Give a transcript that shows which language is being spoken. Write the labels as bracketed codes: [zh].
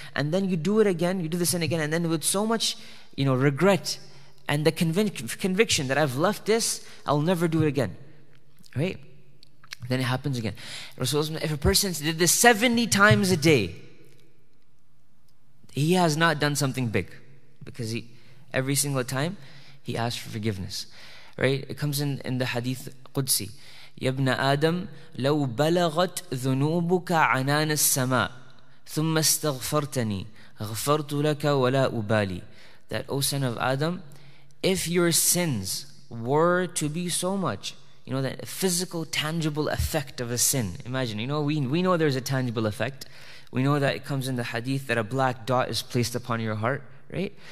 [en] And then you do it again. You do the sin again. And then with so much, you know, regret and the conviction that I've left this, I'll never do it again. Right? Then it happens again. Rasulullah, if a person did this 70 times a day, he has not done something big. Because he, every single time, he asks for forgiveness. Right? It comes in the hadith Qudsi. [ar] يبنى آدم لو بلغت ذنوبك عنان السماء ثم استغفرتني غفرت لك ولا أبالي. [en] That, O son of Adam, if your sins were to be so much, you know, that physical, tangible effect of a sin. Imagine, you know, we know there's a tangible effect. We know that it comes in the hadith that a black dot is placed upon your heart, right?